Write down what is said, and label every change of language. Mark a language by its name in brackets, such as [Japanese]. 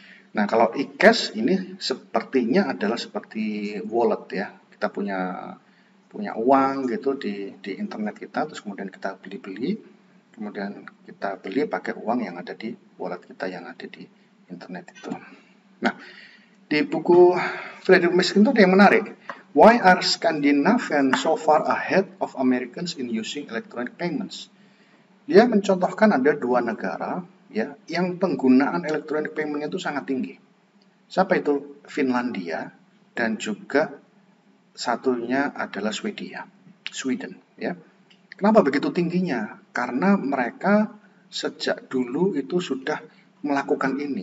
[Indonesian] Nah, kalau e-cash ini sepertinya adalah seperti wallet ya. Kita punya uang gitu di internet kita, terus kemudian kita beli-beli, kemudian kita beli pakai uang yang ada di wallet kita yang ada di internet itu. Nah, di buku Fredrik Miskin itu ada yang menarik. [English] Why are Scandinavians so far ahead of Americans in using electronic payments? [Indonesian] Dia mencontohkan ada dua negara ya yang penggunaan electronic payment-nya itu sangat tinggi. Siapa itu? Finlandia dan juga satunya adalah Sweden ya. Kenapa begitu tingginya? Karena mereka sejak dulu itu sudah melakukan ini.